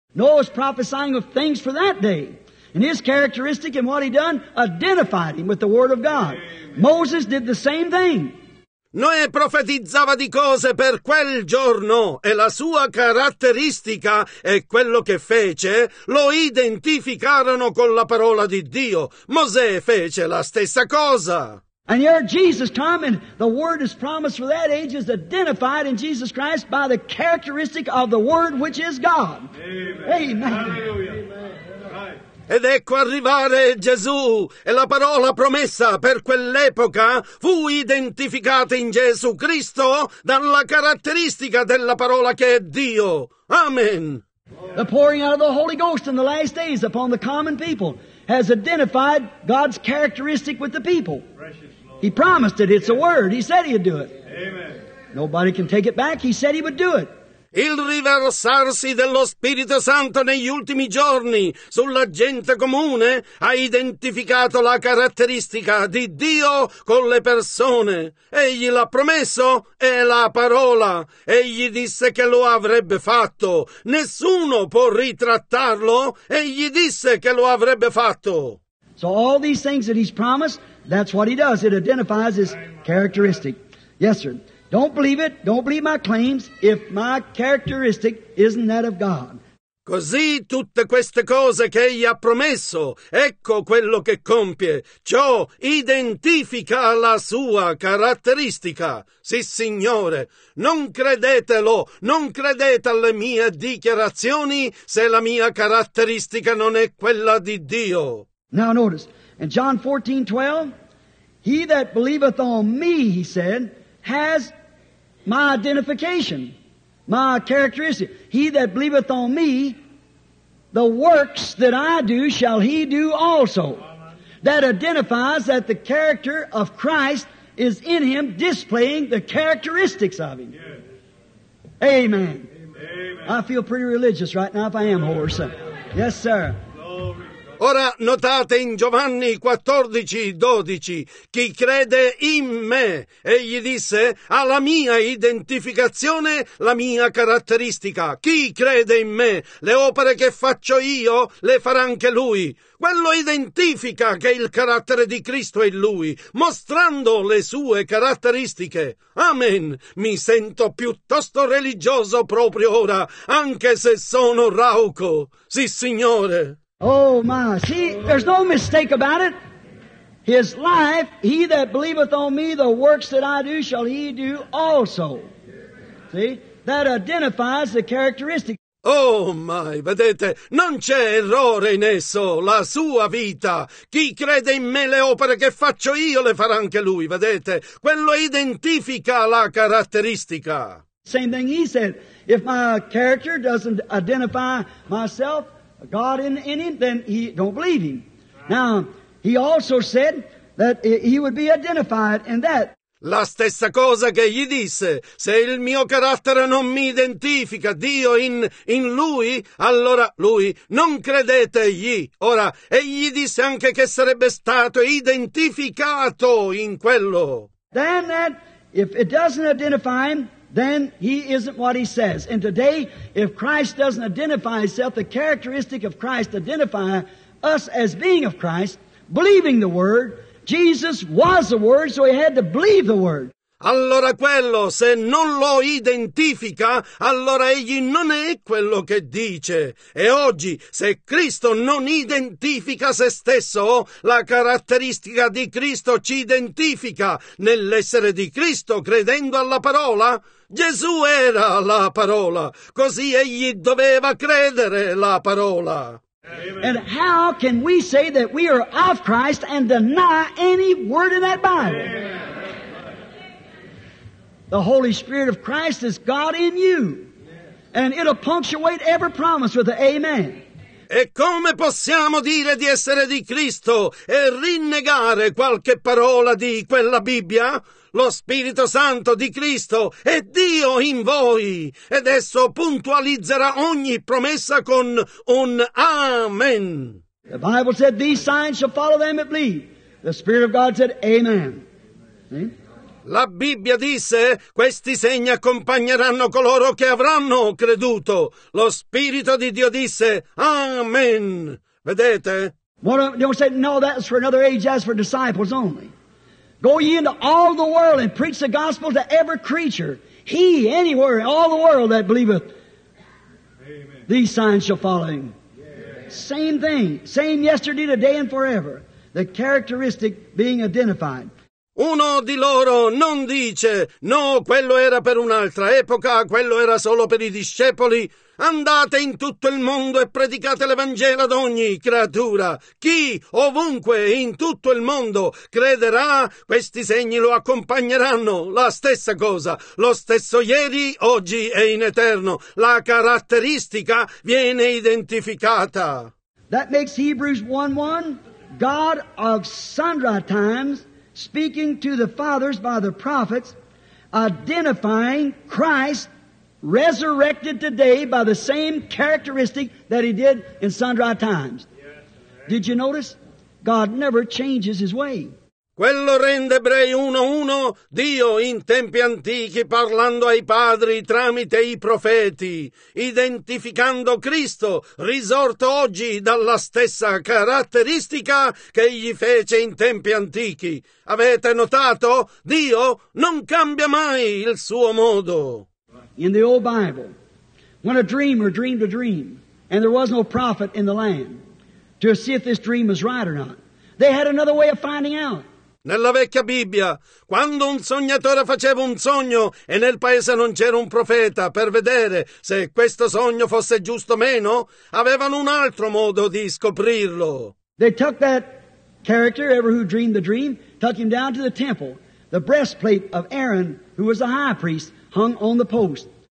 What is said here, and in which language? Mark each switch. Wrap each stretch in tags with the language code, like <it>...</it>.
<en>Noah was prophesying of things for that day. And his characteristic and what he done identified him with the Word of God. Moses did the same thing.</en> <it>Noè profetizzava di cose per quel giorno e la sua caratteristica e quello che fece lo identificarono con la parola di Dio. Mosè fece la stessa cosa.</it> <en>And here Jesus come and the Word is promised for that age is identified in Jesus Christ by the characteristic of the Word which is God. Amen. Amen.</en> <it>Ed ecco arrivare Gesù, e la parola promessa per quell'epoca fu identificata in Gesù Cristo dalla caratteristica della parola che è Dio. Amen.</it> <en>The pouring out of the Holy Ghost in the last days upon the common people has identified God's characteristic with the people. He promised it. It's a word. He said he'd do it. Amen. Nobody can take it back. He said he would do it.</en> <it>Il riversarsi dello Spirito Santo negli ultimi giorni sulla gente comune ha identificato la caratteristica di Dio con le persone. Egli l'ha promesso e la parola. Egli disse che lo avrebbe fatto. Nessuno può ritrattarlo. Egli disse che lo avrebbe fatto.</it> <en>So all these things that he's promised, that's what he does. It identifies his characteristic. Yes, sir. Don't believe it. Don't believe my claims if my characteristic isn't that of God.</en> <it>Così tutte queste cose che egli ha promesso, ecco quello che compie. Ciò identifica la sua caratteristica. Sì, Signore, non credetelo, non credete alle mie dichiarazioni se la mia caratteristica non è quella di Dio.</it> <en>Now notice, in John 14:12, he that believeth on me, he said, has my identification, my characteristic. He that believeth on me, the works that I do shall he do also. That identifies that the character of Christ is in him, displaying the characteristics of him. Yes. Amen. Amen. I feel pretty religious right now if I am, horse. Yes, sir.</en> <it>Ora notate in Giovanni 14, 12, chi crede in me, egli disse, ha la mia identificazione, la mia caratteristica. Chi crede in me, le opere che faccio io le farà anche lui. Quello identifica che il carattere di Cristo è lui, mostrando le sue caratteristiche. Amen. Mi sento piuttosto religioso proprio ora, anche se sono rauco. Sì, Signore.</it> <en>Oh my, see, there's no mistake about it. His life, he that believeth on me, the works that I do, shall he do also. See, that identifies the characteristic. Oh my,</en> <it>vedete, non c'è errore in esso, la sua vita. Chi crede in me, le opere che faccio io le farà anche lui, vedete. Quello identifica la caratteristica.</it> <en>Same thing he said, if my character doesn't identify myself, God in him, then he don't believe him. Now, he also said that he would be identified in that.</en> <it>La stessa cosa che gli disse, se il mio carattere non mi identifica, Dio in lui, allora lui, non credete egli. Ora, egli disse anche che sarebbe stato identificato in quello.</it> <en>Then that, if it doesn't identify him, then he isn't what he says. And today, if Christ doesn't identify himself, the characteristic of Christ identify us as being of Christ, believing the Word, Jesus was the Word, so he had to believe the Word.</en> <it>Allora quello, se non lo identifica, allora egli non è quello che dice. E oggi, se Cristo non identifica se stesso, la caratteristica di Cristo ci identifica nell'essere di Cristo, credendo alla parola. Gesù era la parola, così egli doveva credere la parola.</it> <en>And how can we say that we are of Christ and deny any word in that Bible? Amen. The Holy Spirit of Christ is God in you. And it'll punctuate every promise with an amen.</en> <it>E come possiamo dire di essere di Cristo e rinnegare qualche parola di quella Bibbia? Lo Spirito Santo di Cristo è Dio in voi. Ed esso puntualizzerà ogni promessa con un amen.</it> <en>The Bible said, these signs shall follow them that believe. The Spirit of God said, amen.</en> <it>La Bibbia disse, questi segni accompagneranno coloro che avranno creduto. Lo Spirito di Dio disse, amen. Vedete?</it> <en>Don't say, no, that's for another age, that's for disciples only. Go ye into all the world and preach the gospel to every creature. He, anywhere, all the world that believeth. Amen. These signs shall follow him. Yeah. Same thing, same yesterday, today, and forever. The characteristic being identified.</en> <it>Uno di loro non dice, no, quello era per un'altra epoca, quello era solo per i discepoli. Andate in tutto il mondo e predicate l'Evangelo ad ogni creatura. Chi, ovunque, in tutto il mondo, crederà, questi segni lo accompagneranno. La stessa cosa, lo stesso ieri, oggi e in eterno. La caratteristica viene identificata.</it> <en>That makes Hebrews 1:1, God of sundry times, speaking to the fathers by the prophets, identifying Christ resurrected today by the same characteristic that he did in sundry times. Did you notice? God never changes his way.</en> <it>Quello rende Ebrei 1:1, Dio in tempi antichi parlando ai padri tramite i profeti, identificando Cristo, risorto oggi dalla stessa caratteristica che egli fece in tempi antichi. Avete notato? Dio non cambia mai il suo modo.</it> <en>In the old Bible, when a dreamer dreamed a dream, and there was no prophet in the land to see if this dream was right or not, they had another way of finding out.</en> <it>Nella vecchia Bibbia, quando un sognatore faceva un sogno e nel paese non c'era un profeta per vedere se questo sogno fosse giusto o meno, avevano un altro modo di scoprirlo.</it> <en>They took that character, ever who dreamed the dream, took him down to the temple. The breastplate of Aaron, who was a high priest, hung on the post.</en>